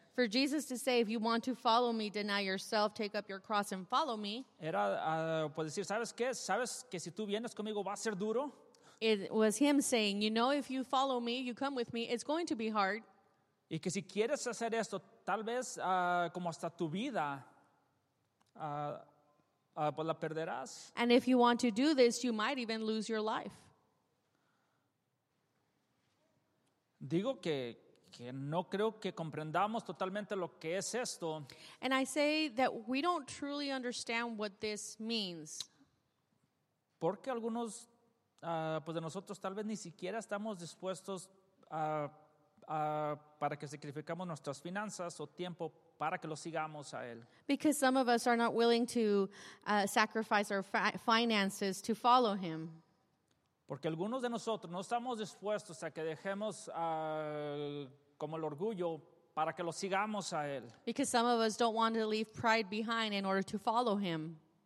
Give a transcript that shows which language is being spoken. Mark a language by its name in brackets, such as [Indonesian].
[English] For Jesus to say, if you want to follow me, deny yourself, take up your cross and follow me. [Spanish] Era, pues decir, sabes qué, sabes que si tú vienes conmigo va a ser duro. [English] It was him saying, you know, if you follow me, you come with me, it's going to be hard. [Spanish] Y que si quieres hacer esto, tal vez como hasta tu vida. Pues la perderás. [English] And if you want to do this, you might even lose your life. [Spanish] Digo que no creo que comprendamos totalmente lo que es esto. [English] And I say that we don't truly understand what this means. [Spanish] Porque algunos pues de nosotros tal vez ni siquiera estamos dispuestos para que sacrificamos nuestras finanzas o tiempo para que lo sigamos a él. [English] Because some of us are not willing to sacrifice our finances to follow him. [Spanish] Porque algunos de nosotros no estamos dispuestos a que dejemos como el orgullo para que lo sigamos a él. [English] Because some of us don't want to leave pride behind in order to follow him.